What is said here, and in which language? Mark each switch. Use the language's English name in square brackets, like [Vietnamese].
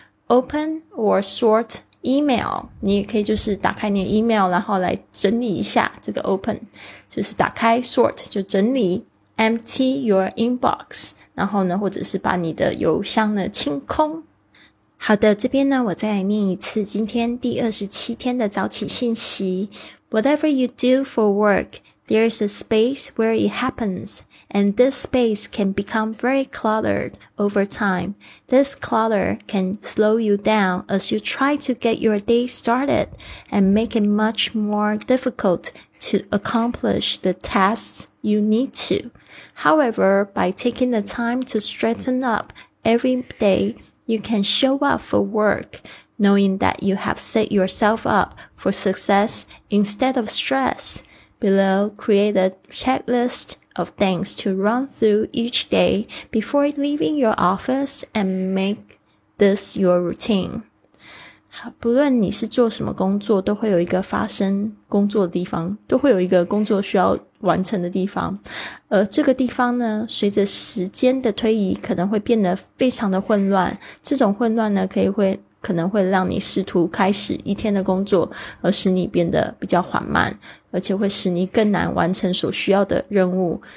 [English] Open or sort email, [Chinese] 你也可以就是打开你的 email, 然后来整理一下，这个 open 就是打开， sort 就整理。 [English] Empty your inbox, [Chinese] 然后呢或者是把你的邮箱呢清空。好的，这边呢我再来念一次今天第27天的早起信息。 [English] Whatever you do for work, there is a space where it happens, and this space can become very cluttered over time. This clutter can slow you down as you try to get your day started and make it much more difficult to accomplish the tasks you need to. However, by taking the time to straighten up every day, you can show up for work, knowing that you have set yourself up for success instead of stress. Below, create a checklist of things to run through each day before leaving your office and make this your routine. [Chinese] 好，不论你是做什么工作，都会有一个发生工作的地方，都会有一个工作需要完成的地方，而这个地方呢随着时间的推移可能会变得非常的混乱，这种混乱呢可能会让你试图开始一天的工作而使你变得比较缓慢，而且会使你更难完成所需要的任务。